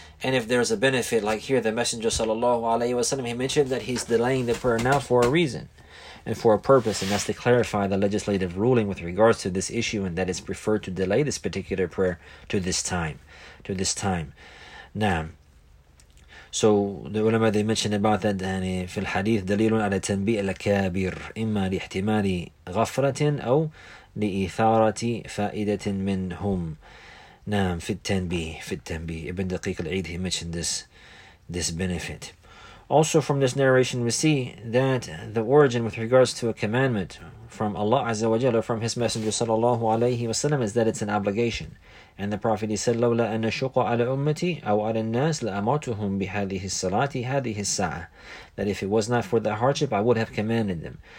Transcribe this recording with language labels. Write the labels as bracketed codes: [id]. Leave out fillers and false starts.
[en] And if there's a benefit, like here, the Messenger sallallahu alayhi wasallam, he mentioned that he's delaying the prayer now for a reason and for a purpose, and that's to clarify the legislative ruling with regards to this issue, and that it's preferred to delay this particular prayer to this time. To this time. Now, so the ulama, they mentioned about that in the hadith, [ar] دَلِيلٌ عَلَى تَنْبِئِ الْكَابِرِ إِمَّا لِإِحْتِمَالِ غَفْرَةٍ أَوْ لِإِثَارَةِ فَائِدَةٍ مِّنْهُمْ. نعم في التنبيه في التنبيه ابن دقيق العيد, [en] he mentioned this benefit. Also from this narration we see that the origin with regards to a commandment from Allah Azza wa Jalla, from His Messenger sallallahu alayhi wa sallam, is that it's an obligation. And the Prophet, he said, [ar] لولا أن شق على أمتي أو على الناس لأمرتهم بهذه الصلاة هذه الساعة, [en] that if it was not for the hardship, I would have commanded them.